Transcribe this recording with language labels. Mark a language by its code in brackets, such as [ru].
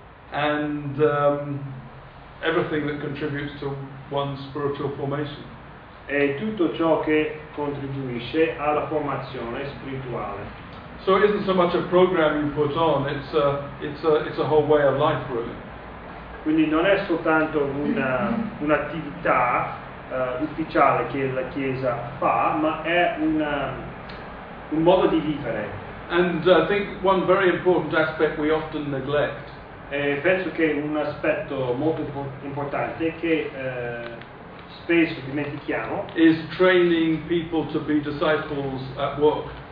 [en] And everything that contributes to one's spiritual formation. [it] E tutto ciò che contribuisce alla formazione spirituale. [en] So it isn't so much a program you put on, it's a whole way of life, really. [it] Quindi non è soltanto un'attività ufficiale che la Chiesa fa, ma è un modo di vivere. [en] And I think one very important aspect we often neglect. [it] E penso che un aspetto molto importante che spesso dimentichiamo [en] is training people to be disciples at work.